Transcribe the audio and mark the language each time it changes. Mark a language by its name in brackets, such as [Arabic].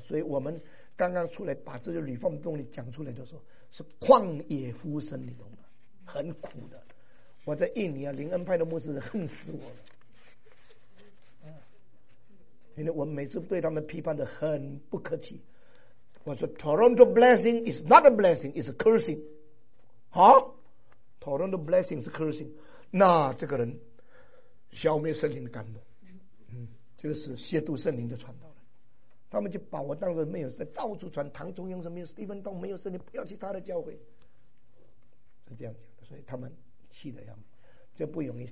[Chinese] 所以我们刚刚出来把这个 reform 动力讲出来的时候是旷野呼声，你懂吗？很苦的。我在印尼啊，灵恩派的牧师恨死我了，因为我们每次对他们批判的很不客气。 [English] 我说 Toronto blessing is not a blessing, it's a cursing. Toronto blessing is cursing. [Chinese] 那这个人消灭圣灵的感动，就是亵渎圣灵的传道人。他们就把我当作没有圣，到处传唐中庸什么 Stephen Tong 没有圣灵，不要去他的教会，是这样讲的。所以他们气得要命，这不容易。